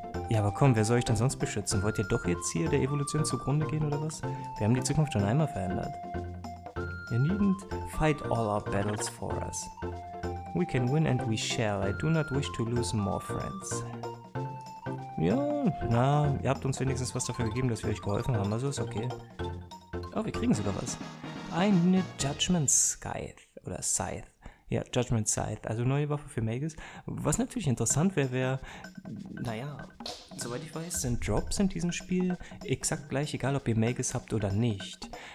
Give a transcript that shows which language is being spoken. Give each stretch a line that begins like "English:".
German: Ja, aber komm, wer soll euch denn sonst beschützen? Wollt ihr doch jetzt hier der Evolution zugrunde gehen oder was? Wir haben die Zukunft schon einmal verändert.
English: You needn't fight all our battles for us. We can win and we shall. I do not wish to lose more friends.
German: Ja, na, ihr habt uns wenigstens was dafür gegeben, dass wir euch geholfen haben, also ist okay. Oh, wir kriegen sogar was. Eine Judgment Scythe. Oder Scythe. Ja, Judgment Scythe, also neue Waffe für Magus. Was natürlich interessant wäre, wäre, naja, soweit ich weiß, sind Drops in diesem Spiel exakt gleich, egal ob ihr Magus habt oder nicht.